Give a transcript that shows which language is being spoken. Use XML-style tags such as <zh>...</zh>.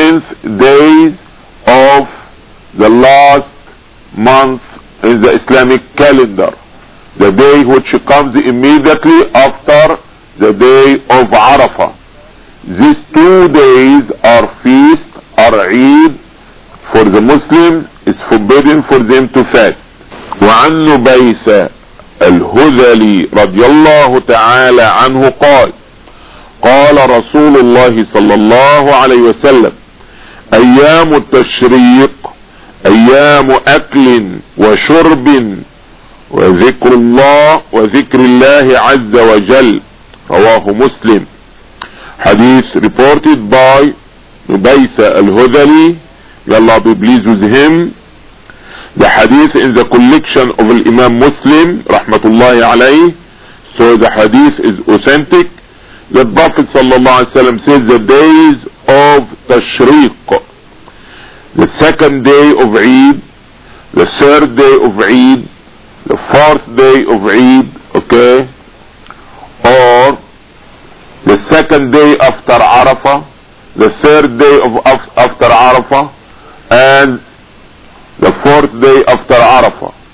<en>12th days of the last month in the Islamic calendar, the day which comes immediately after the day of Arafah. These 2 days are feast, are Eid. For the Muslims, it's forbidden for them to fast.</en> <ar>وعن نبيسة الهذلي رضي الله تعالى عنه قال قال رسول الله صلى الله عليه وسلم أيام التشريق أيام أكل وشرب وذكر الله وذكر الله عز وجل رواه مسلم.</ar> <en>حديث reported by نبيسة الهذلي, may Allah be pleased with him. The hadith in the collection of Imam Muslim rahmatullahi alayhi. So the hadith is authentic. The Prophet sallallahu alayhi wa sallam says the days of Tashriq, the second day of Eid, the third day of Eid, the fourth day of Eid, okay, or the second day after Arafah, the third day of after Arafah, and the fourth day after Arafah.</en>